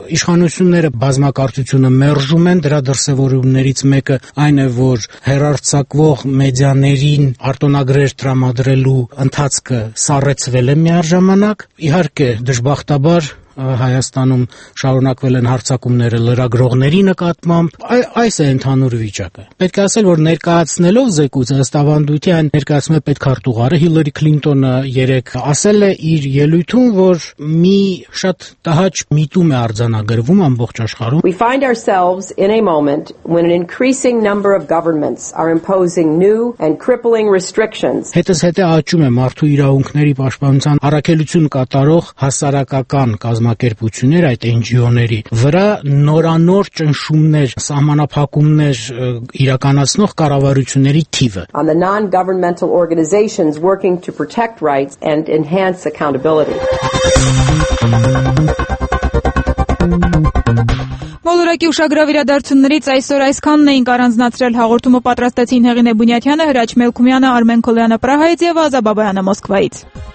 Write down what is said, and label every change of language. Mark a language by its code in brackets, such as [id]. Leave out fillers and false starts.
[hy] իշխանությունները բազմակարծությունը մերժում են, դրա դրսևորումներից մեկը այն է, որ հերարցակվող մեդիաներին արտոնագրեր տրամադրելու ընթացքը սառեցվել է միաժամանակ, իհարկե դժբախտաբար Հայաստանում շարունակվել են հարցակումները լրագրողների նկատմամբ, այս է ընդհանուր վիճակը։ Պետք է ասել, որ ներկայացնելով զեկույցը ըստ ավանդույթի այն ներկայացնում է պետքարտուղարը, Հիլլարի Քլինտոնը 3 ասել է իր ելույթում, որ մի շատ տհաճ միտում է արձանագրվում ամբողջ աշխարհում. [en] We find ourselves in a moment when an increasing number of governments are imposing new and crippling restrictions. [hy] Հետս հետե աճում է մարդու իրավունքների պաշտպանության առաքելություն կատարող հասարակական կազմակերպություններ, այդ NGO-ների վրա նորանոր ճնշումներ, սահմանափակումներ իրականացնող կառավարությունների թիվը. [en] On the non-governmental organizations working to protect rights and enhance accountability. [hy] Բոլորակի ուշագրավ իրադարձություններից այսօր այսքանն էինք առանձնացրել, հաղորդումը պատրաստեցին Հեղինե Բունյատյանը, Հրաչ Մելքումյանը, Արմեն Քոլյանը Պրահայից և Ազա Բաբայանը Մոսկվայից։